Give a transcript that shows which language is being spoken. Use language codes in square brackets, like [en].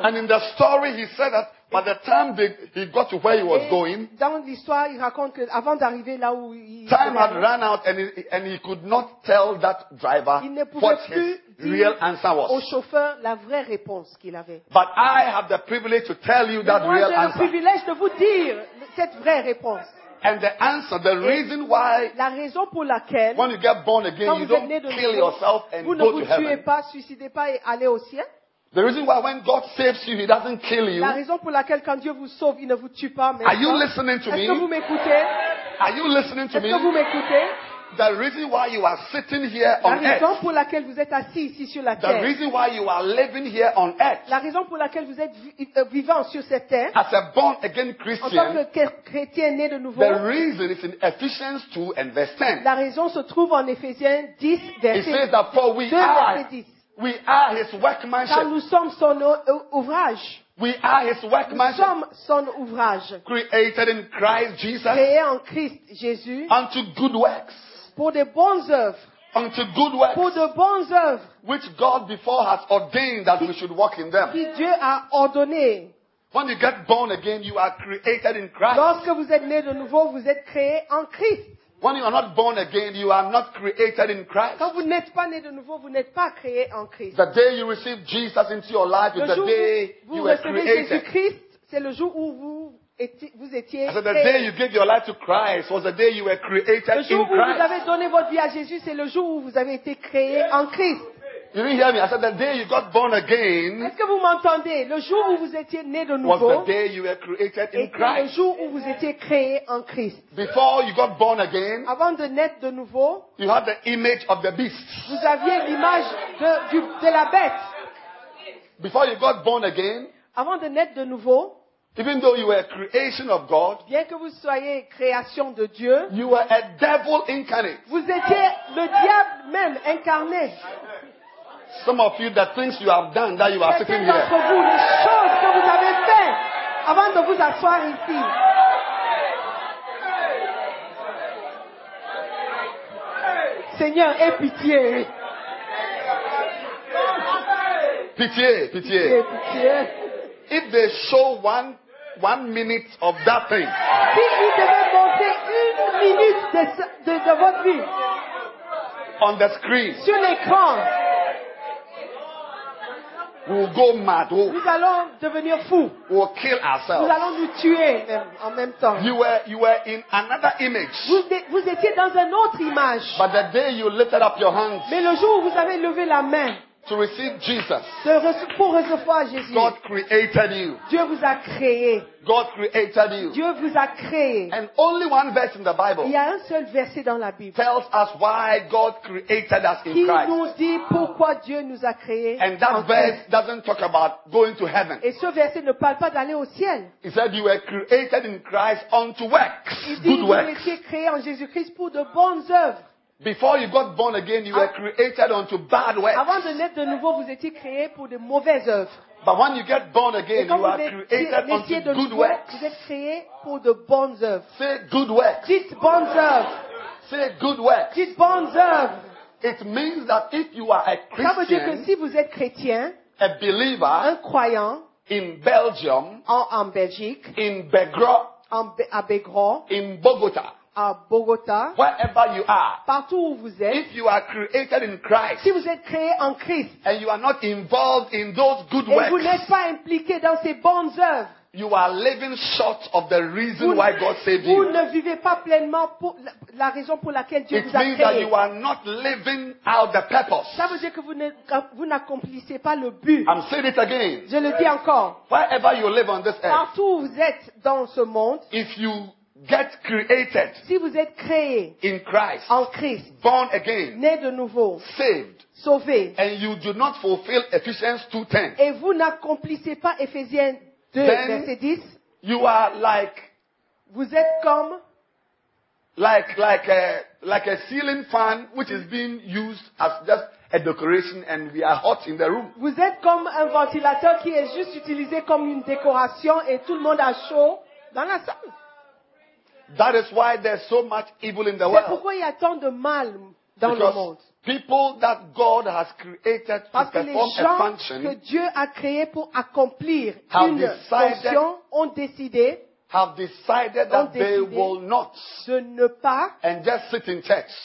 [en] And in the story, he said that by the time he got to where he was going, [fr] dans l'histoire, il raconte que avant d'arriver là où il [en] time had run out, and he could not tell that driver what his real answer was. [fr] Au chauffeur la vraie réponse qu'il avait. [en] But I have the privilege to tell you that [fr] moi, [en] real [fr] j'ai le [en] answer. [fr] Privilège de vous dire cette vraie réponse. [en] And the answer, the reason why, [fr] la raison pour laquelle, [en] when you get born again, you don't kill yourself and go to heaven. [fr] Vous ne vous tuez pas, suicidez pas et allez au ciel. [en] The reason why when God saves you, he doesn't kill you. [fr] La raison pour laquelle quand Dieu vous sauve, il ne vous tue pas. [en] Are you listening to me? [fr] Est-ce que vous m'écoutez? [en] Are you listening to me? [fr] Est-ce que vous m'écoutez? [en] The reason why you are sitting here on earth. [fr] La raison pour laquelle vous êtes assis ici sur la terre. [en] The reason why you are living here on earth. [fr] La raison pour laquelle vous êtes vivant sur cette terre. [en] As a born again Christian. [fr] En tant que chrétien né de nouveau. [en] The reason is in Ephesians 2 and verse 10. [fr] La raison se trouve en Ephésiens 10 verset 10. [en] It says that for we are his workmanship. [fr] Car nous sommes son ouvrage. [en] We are his workmanship. [fr] Nous sommes son ouvrage. [en] Created in Christ Jesus. [fr] Créé en Christ Jésus. [en] Unto good works. [fr] Pour de bonnes œuvres. [en] Unto good works. [fr] Pour de bonnes œuvres. [en] Which God before has ordained that we should walk in them. [fr] Qui Dieu a ordonné. [en] When you get born again, you are created in Christ. [fr] Lorsque vous êtes né de nouveau, vous êtes créé en Christ. [en] When you are not born again, you are not created in Christ. [fr] Quand vous n'êtes pas né de nouveau, vous n'êtes pas créé en Christ. [en] The day you receive Jesus into your life is the day you were created. [fr] Le jour où vous recevez Jésus-Christ, c'est le jour où vous étiez créé. [en] The day you gave your life to Christ was the day you were created in Christ. [fr] Le jour où vous avez donné votre vie à Jésus, c'est le jour où vous avez été créé en Christ. [en] You didn't hear me. I said the day you got born again. [fr] Est-ce que vous m'entendez? Le jour où vous étiez né de nouveau. [en] Was the day you were created in Christ. [fr] Le jour où vous étiez créé en Christ. [en] Before you got born again. [fr] Avant de naître de nouveau. [en] You had the image of the beast. [fr] Vous aviez l'image de la bête. [en] Before you got born again. [fr] Avant de naître de nouveau. [en] Even though you were a creation of God. [fr] Bien que vous soyez création de Dieu. [en] You were a devil incarnate. [fr] Vous étiez le diable même incarné. [en] Some of you, the things you have done, that you are sitting here. [fr] Certains d'entre vous, les choses que vous avez faites avant de vous asseoir ici. Seigneur, aie pitié. Pitié. Pitié. [en] If they show one minute of that thing. [fr] Si vous devez monter une minute de votre vie. [en] On the screen. [fr] Sur l'écran. [en] We'll go mad. [fr] Nous allons devenir fous. [en] We'll kill ourselves. [fr] Nous allons nous tuer en même temps. [en] You were in another image. [fr] Vous étiez dans une autre image. [en] But the day you lifted up your hands. [fr] Mais le jour où vous avez levé la main. [en] To receive Jesus. [fr] Pour recevoir Jésus. [en] God created you. [fr] Dieu vous a créé. [en] God created you. [fr] Dieu vous a créé. [en] And only one verse in the Bible. [fr] Il y a un seul verset dans la Bible. [en] Tells us why God created us in Christ. [fr] Qui nous dit pourquoi Dieu nous a créé. [en] And that verse doesn't talk about going to heaven. [fr] Et ce verset ne parle pas d'aller au ciel. [en] He said you were created in Christ unto works. [fr] Il dit [en] good works. [fr] Vous étiez créé en Jésus-Christ pour de bonnes œuvres. [en] Before you got born again, you were created unto bad works. [fr] Avant de naître de nouveau, vous étiez créé pour de mauvaises œuvres. [en] But when you get born again, you are created unto good [fr] nouveau, [en] works. [fr] Vous êtes créé pour de bonnes œuvres. [en] Say good works. [fr] Dites bonnes œuvres. [en] Say good works. [fr] Dites bonnes œuvres. [en] It means that if you are a Christian, [fr] ça veut dire que si vous êtes chrétien, [en] a believer, [fr] un croyant, [en] in Belgium, [fr] en Belgique, [en] in Begro, [fr] à Begro, [en] in Bogota. [fr] À Bogota, [en] wherever you are, [fr] partout où vous êtes, [en] if you are created in Christ, [fr] si vous êtes créé en Christ, [en] and you are not involved in those good works, [fr] et vous n'êtes pas impliqué dans ces bonnes œuvres, [en] you are living short of the reason why God saved you. [fr] Vous ne vivez pas pleinement pour la raison pour laquelle Dieu [en] it [fr] vous a créé. [en] It means that you are not living out the purpose. [fr] Ça veut dire que vous n'accomplissez pas le but. [en] I'm saying it again. [fr] Je le dis encore. [en] Wherever you live on this earth, [fr] partout où vous êtes dans ce monde, [en] if you Get created. [fr] Si vous êtes créé [en] in Christ. [fr] En Christ. [en] Born again. [fr] Né de nouveau. [en] Saved. [fr] Sauvé. [en] And you do not fulfill Ephesians 2:10. [fr] Et vous n'accomplissez pas Ephésiens 2, [en] then [fr] verset 10. [en] You are like. [fr] Vous êtes comme. [en] Like a ceiling fan which is being used as just a decoration and we are hot in the room. [fr] Vous êtes comme un ventilateur qui est juste utilisé comme une décoration et tout le monde a chaud dans la salle. [en] That is why there's so much evil in the [fr] c'est C'est pourquoi il y a tant de mal dans [en] because [fr] le monde. [en] People that God has created [fr] parce [en] to perform [fr] les gens [en] a function [fr] que Dieu a créé pour accomplir une fonction ont décidé [en] have decided that they will not [fr] de ne pas [en] and just sit in church.